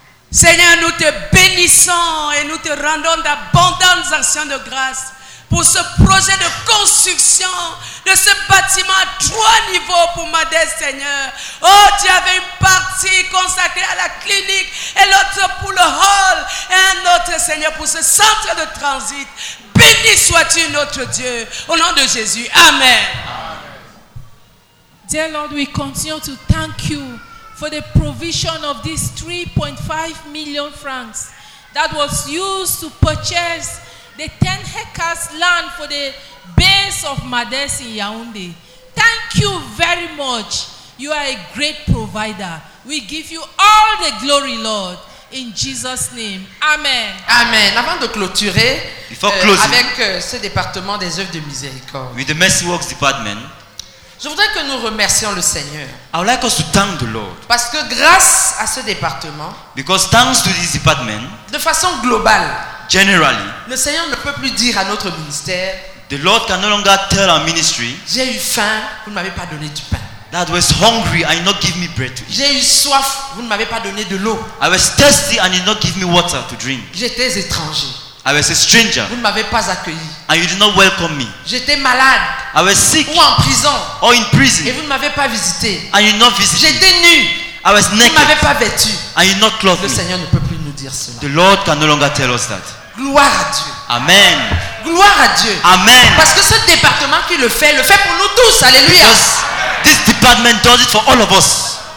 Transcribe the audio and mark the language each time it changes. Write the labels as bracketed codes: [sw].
[fr] Seigneur, nous te bénissons et nous te rendons d'abondantes actions de grâce pour ce projet de construction de ce bâtiment à 3 niveaux pour Madès, Seigneur. Oh, tu avais une partie consacrée à la clinique et l'autre pour le hall et un autre, Seigneur, pour ce centre de transit. Béni sois-tu, notre Dieu, au nom de Jésus. Amen. [en] Dear Lord, we continue to thank you for the provision of these 3.5 million francs that was used to purchase the 10 hectares land for the base of Madès in Yaoundé. Thank you very much. You are a great provider. We give you all the glory, Lord, in Jesus' name. Amen. Amen. [fr] Avant de clôturer avec ce département des œuvres de miséricorde, [en] with the Mercy Works Department, [fr] je voudrais que nous remercions le Seigneur. [en] I would like us to thank the Lord. [fr] Parce que grâce à ce département, [en] because thanks to this department, [fr] de façon globale, [en] generally, [fr] le Seigneur ne peut plus dire à notre ministère, [en] the Lord can no longer tell our ministry, [fr] j'ai eu faim, vous ne m'avez pas donné du pain. [en] That was hungry and you not give me bread to eat. [fr] J'ai eu soif, vous ne m'avez pas donné de l'eau. [en] I was thirsty and you not give me water to drink. [fr] J'étais étranger. [en] I was a stranger. [fr] Vous ne m'avez pas accueilli. [en] And you did not welcome me. [fr] J'étais malade. [en] I was sick. [fr] Ou en prison. [en] Or in prison. [fr] Et vous ne m'avez pas visité. [en] And you not visited. [fr] J'étais nu. [en] I was naked. [fr] Vous ne m'avez pas vêtu. [en] And you not clothed. [fr] Le Seigneur ne peut plus nous dire cela. [en] The Lord can no longer tell us that. [fr] Gloire à Dieu. Amen. Gloire à Dieu. Amen. Parce que ce département qui le fait pour nous tous. Alléluia. [en] Because this department does it for all of us.